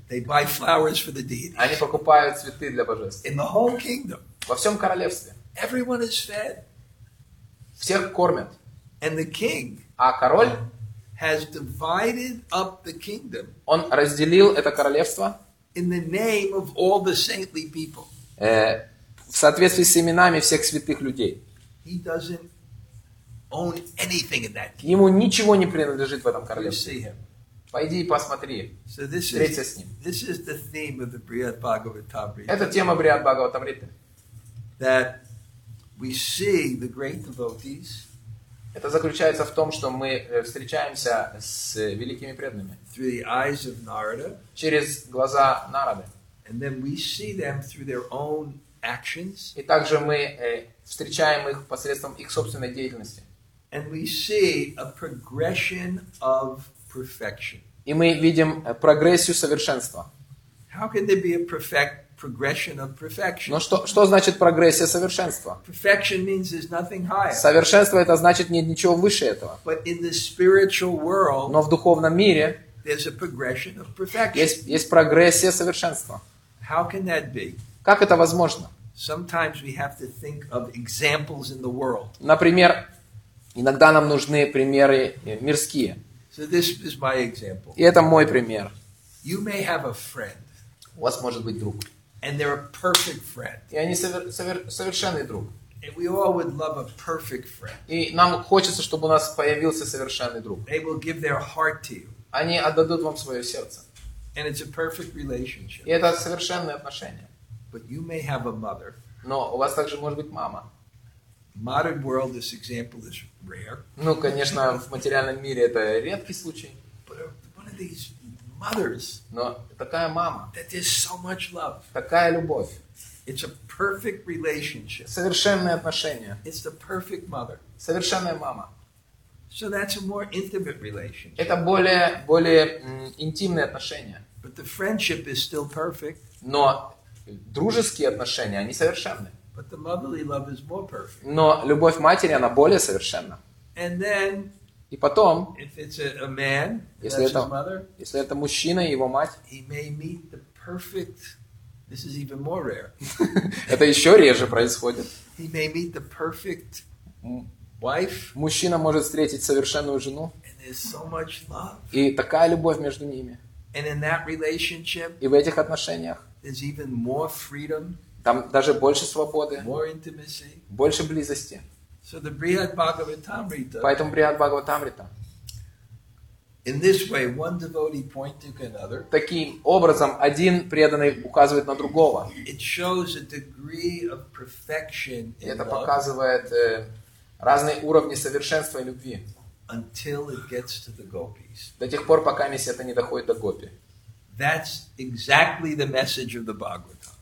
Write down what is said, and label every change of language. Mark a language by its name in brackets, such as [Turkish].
[English] they buy flowers for the deity. [Russian] Они покупают цветы для божеств. [English] In the whole kingdom. [Russian] Во всем королевстве. [English] Everyone is fed. [Russian] Всех кормят. [English] And the king. [Russian] А король [English] has divided up the kingdom. [Russian] Он разделил это королевство. [English] In the name of all the saintly people. [Russian] В соответствии с именами всех святых людей. [English] He doesn't own anything in that. [Russian] Ему ничего не принадлежит в этом королевстве. [English] You see him. [Russian] Пойди и посмотри. [English] So this [Russian] встреться [English] is, [Russian] с ним. [English] This is the theme of the Brihat Bhagavatamrita. [Russian] Это тема Брихат Бхагаватамриты. [English] That we see the great devotees. [Russian] Это заключается в том, что мы встречаемся с великими преданными. [English] Through the eyes of Narada. [Russian] Через глаза Нарады. [English] And then we see them through their own actions. [Russian] И также мы встречаем их посредством их собственной деятельности. [English] And we see a progression of perfection. [Russian] И мы видим прогрессию совершенства. [English] How can there be a perfect progression of perfection? [Russian] Но что значит прогрессия совершенства? [English] Perfection means there's nothing higher. [Russian] Совершенство это значит нет ничего выше этого. [English] But in the spiritual world, [Russian] но в духовном мире [English] there's a progression of perfection. [Russian] Есть прогрессия совершенства. [English] How can that be? [Russian] Как это возможно? [English] Sometimes we have to think of examples in the world. [Russian] Например, иногда нам нужны примеры мирские. [English] So this is my example. [Russian] И это мой пример. [English] You may have a friend. [Russian] У вас может быть друг. [English] And they're a perfect friend. [Russian] И они совершенный друг. [English] And we all would love a perfect friend. [Russian] И нам хочется, чтобы у нас появился совершенный друг. [English] They will give their heart to you. [Russian] Они отдадут вам свое сердце. [English] And it's a perfect relationship. [Russian] И это совершенные отношения. [English] But you may have a mother. [Russian] Но у вас также может быть мама. [English] Modern world, this example is rare. [Russian] Ну, конечно, в материальном мире это редкий случай. [English] But one of these mothers. [Russian] Но такая мама. [English] That is so much love. [Russian] Такая любовь. [English] It's a perfect relationship. [Russian] Совершенные отношения. [English] It's the perfect mother. [Russian] Совершенная мама. [English] So that's a more intimate relationship. [Russian] Это более интимные отношения. [English] But the friendship is still perfect. [Russian] Но дружеские отношения, они совершенны. [English] But the motherly love is more perfect. [Russian] Но любовь матери, она более совершенна. [English] And then, [Russian] и потом, [English] if it's a man, [Russian] если, [English] that's [Russian] это, [English] his mother, [Russian] если это мужчина и его мать, [English] he may meet the perfect, this is even more rare. [Russian] Это еще реже происходит. [English] He may meet the perfect wife, [Russian] мужчина может встретить совершенную жену. [English] And there's so much love. [Russian] И такая любовь между ними. [English] And in that relationship, [Russian] и в этих отношениях [English] there's even more freedom, [Russian] там даже больше свободы, [English] more intimacy, [Russian] больше близости. [English] So the Brihat Bhagavatamrita. [Russian] Поэтому Брихат Бхагаватамрита. [English] In this way, one devotee pointing to another. [Russian] Таким образом, один преданный указывает на другого. [English] It shows a degree of perfection in love. [Russian] Это показывает разные уровни совершенства и любви. [English] Until it gets to the gopis. [Russian] До тех пор, пока миссия это не доходит до гопи. [English] That's exactly the message of the Bhagavatam.